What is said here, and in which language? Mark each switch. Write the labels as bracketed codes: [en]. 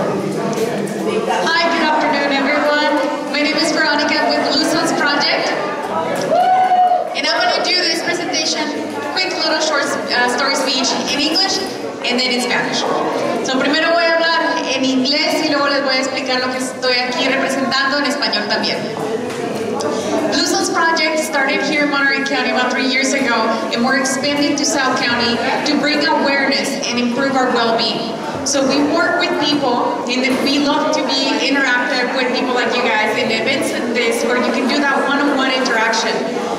[en] Hi, good afternoon, everyone. My name is Veronica with Blue Zones Project. And I'm going to do this presentation, quick little short story speech in English and then in Spanish. [es] So primero voy a hablar en inglés y luego les voy a explicar lo que estoy aquí representando en español también. [en] Blue Zones Project started here in Monterey County about 3 years ago, and we're expanding to South County to bring awareness and improve our well-being. So we work with people, and then we love to be interactive with people like you guys in events and this, where you can do that one-on-one interaction.